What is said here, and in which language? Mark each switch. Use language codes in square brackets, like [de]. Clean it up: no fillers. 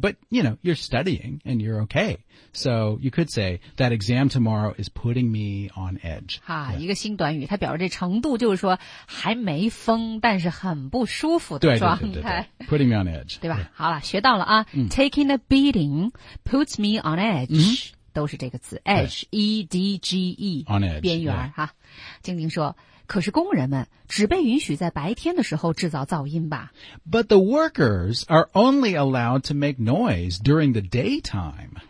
[en] But, you know, you're studying and you're okay. So you could say, that exam tomorrow is putting me on edge. 哈, yeah. [zh] 一个新短语, 它表示这程度就是说, 还没疯, 但是很不舒服的状态。对对对对对, [en] putting me on edge. [zh] 对吧? [en] Yeah. [zh] 好了, 学到了啊, [en] taking a beating puts me on edge. [zh] 都是这个词, edge, E-D-G-E, [en] on edge, [zh] 边缘, [en] yeah. [zh] 哈, 静静说, 可是工人们只被允许在白天的时候制造噪音吧。 [en] But the workers are only allowed to make noise during the daytime.